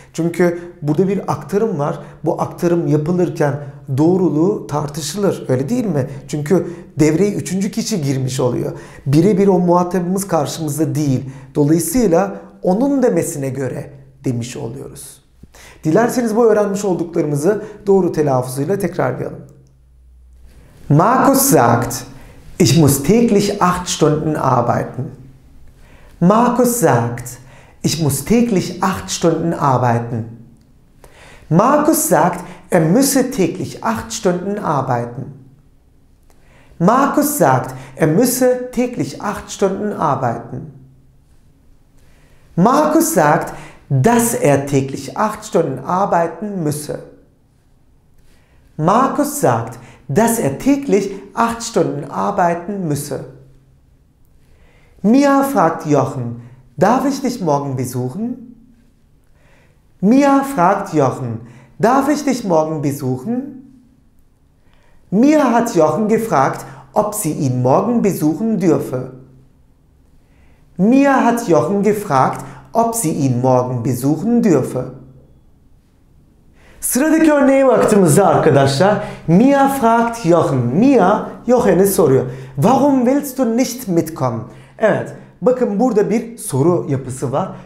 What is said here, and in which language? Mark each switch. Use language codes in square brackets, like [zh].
[tr] Çünkü burada bir aktarım var. Bu aktarım yapılırken doğruluğu tartışılır. Öyle değil mi? Çünkü devreye üçüncü kişi girmiş oluyor. Birebir o muhatabımız karşımızda değil. Dolayısıyla onun demesine göre demiş oluyoruz. Dilerseniz bu öğrenmiş olduklarımızı doğru telaffuzuyla tekrarlayalım. [de] Markus sagt, ich muss täglich 8 Stunden arbeiten. Markus sagt, ich muss täglich 8 Stunden arbeiten. Markus sagt, er müsse täglich 8 Stunden arbeiten. Markus sagt, er müsse täglich 8 Stunden arbeiten. Markus sagt, dass er täglich 8 Stunden arbeiten müsse. Markus sagt, dass er täglich 8 Stunden arbeiten müsse. Mia fragt Jochen, darf ich dich morgen besuchen? Mia fragt Jochen, darf ich dich morgen besuchen? Mia hat Jochen gefragt, ob sie ihn morgen besuchen dürfe. Mia hat Jochen gefragt, ob sie ihn morgen besuchen dürfe. [tr] Sıradaki örneğe baktığımızda arkadaşlar, [de] Mia fragt Jochen. [tr] Mia, Jochen'e soruyor. [de] Warum willst du nicht mitkommen? [tr] Evet, bakın burada bir soru yapısı var.